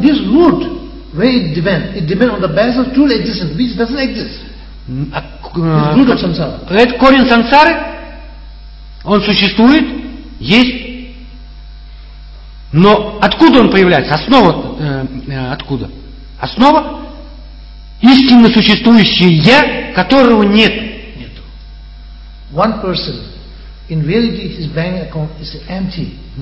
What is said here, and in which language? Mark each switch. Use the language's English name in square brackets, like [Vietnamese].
[English] This root, where it depends, on the basis of true existence, which doesn't exist. [Russian] Это корень сансары, он существует, есть, но откуда он появляется? Основа откуда? Основа истинно существующее я, которого нет. Нет. [English] One person, in reality, his bank account is empty.